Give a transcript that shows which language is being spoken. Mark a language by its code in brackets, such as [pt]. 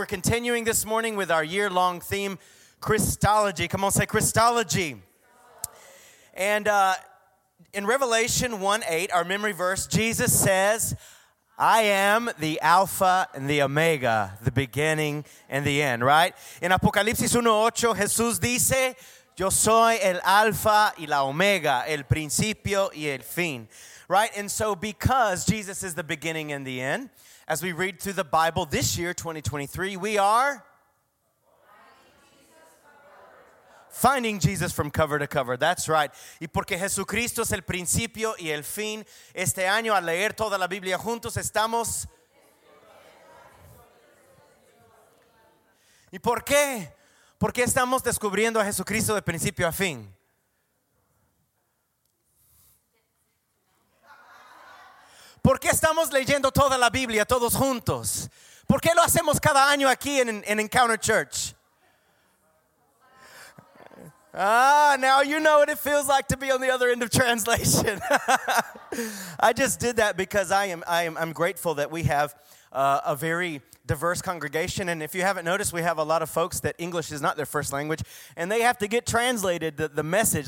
[en] We're continuing this morning with our year-long theme, Christology. Come on, say Christology. And in Revelation 1:8, our memory verse, Jesus says, I am the Alpha and the Omega, the beginning and the end, right? [es] In Apocalipsis 1:8, Jesus dice, Yo soy el Alpha y la Omega, el principio y el fin. [en] Right? And so because Jesus is the beginning and the end, as we read through the Bible this year, 2023, we are finding Jesus from cover to cover. That's right. [es] Y porque Jesucristo es el principio y el fin, este año al leer toda la Biblia juntos estamos. ¿Y por qué? Porque estamos descubriendo a Jesucristo de principio a fin. ¿Por qué estamos leyendo toda la Biblia todos juntos? ¿Por qué lo hacemos cada año aquí en Encounter Church? [en] Ah, now you know what it feels like to be on the other end of translation. I just did that because I'm grateful that we have a very diverse congregation. And if you haven't noticed, we have a lot of folks that English is not their first language, and they have to get translated the message.